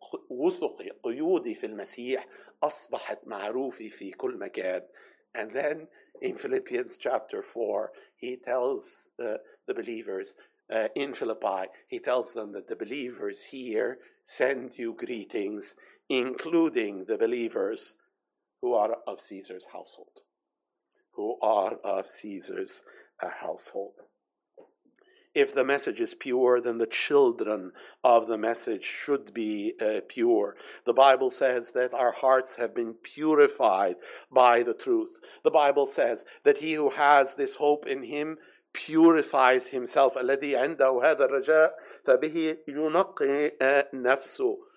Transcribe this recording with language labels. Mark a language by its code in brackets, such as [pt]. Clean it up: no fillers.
[ar] وثقي قيودي في المسيح أصبحت معروفي في كل مكان. [en] And then in Philippians chapter 4, he tells the believers in Philippi, he tells them that the believers here send you greetings, including the believers who are of Caesar's household. Who are of Caesar's household. If the message is pure, then the children of the message should be pure. The Bible says that our hearts have been purified by the truth. The Bible says that he who has this hope in him purifies himself. [ar] الذي عنده هذا الرجاء فبه ينقي نفسه.